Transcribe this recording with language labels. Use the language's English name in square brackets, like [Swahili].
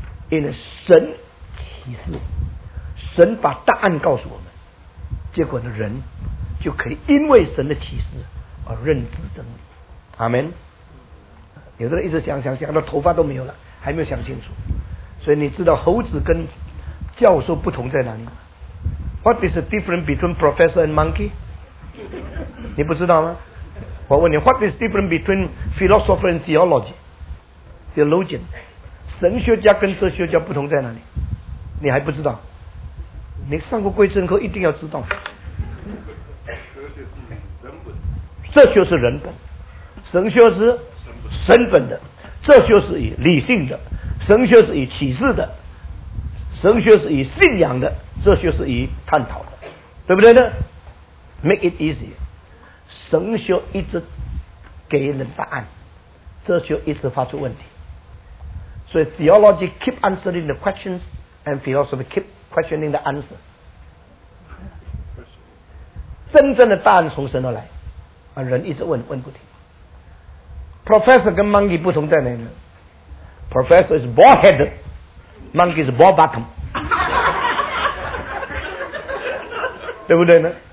[Chinese] 因为神启示，神把答案告诉我们，结果呢，人就可以因为神的启示而认知真理。阿门。有的人一直想到头发都没有了，还没有想清楚。所以你知道猴子跟教授不同在哪里吗？ [English] What is the difference between professor and monkey? [Chinese] 你不知道吗？我问你 [English] What is different between philosopher and theology? [Chinese] Theologian 神学家跟哲学家不同在哪里？你还不知道？你上过贵正课一定要知道。哲学是人本，神学是神本的，哲学是以理性的，神学是以启示的，神学是以信仰的，哲学是以探讨的，对不对呢？ [English] Make it easy， [Chinese] 神学一直给人答案，哲学一直发出问题。所以 [English] theology keep answering the questions and philosophy keep questioning the answer。 [Chinese] 真正的答案从神而来，而人一直问不停。 [English] Professor 跟 monkey [Chinese] 不同在哪里？ [English] Professor is ball headed， monkey is ball bottom。 [Chinese] 对不对呢？